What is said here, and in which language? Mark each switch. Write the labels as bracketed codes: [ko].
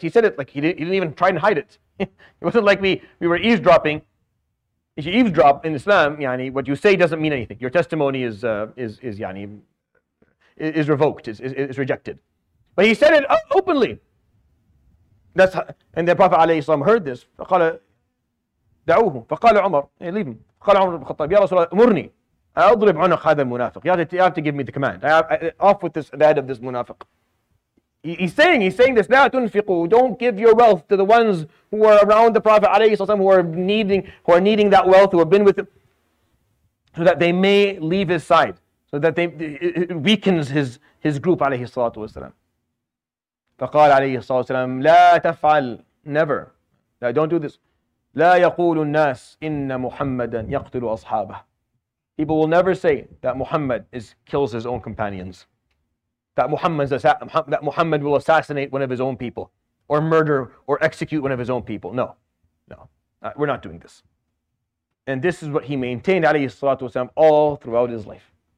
[en] He said it, like he didn't even try and hide it. It wasn't like we were eavesdropping. If you eavesdrop in Islam, yani, what you say doesn't mean anything. Your testimony is revoked, is rejected. But he said it openly. That's how, and the Prophet عليه السلام heard this. [ar] فقال دعوه فقال عمر [en] hey, leave him. [ar] قال عمر بن الخطاب يا رسول الله أمرني أضرب عنق هذا المنافق. [en] You have to give me the command. Off with this, the head of this munafiq. He's saying this. [ar] لا تنفقوا. [en] Don't give your wealth to the ones who are around the Prophet عليه السلام who are needing that wealth, who have been with him, so that they may leave his side, so that it weakens his group عليه الصلاة والسلام. [ar] فقال عليه الصلاة والسلام لا تفعل [en] never [ar] لا [en] don't do this [ar] لا يقول الناس إن محمدا يقتل أصحابه. [en] People will never say that Muhammad kills his own companions, that Muhammad will assassinate one of his own people or murder or execute one of his own people. No, we're not doing this. And this is what he maintained عليه الصلاة والسلام all throughout his life.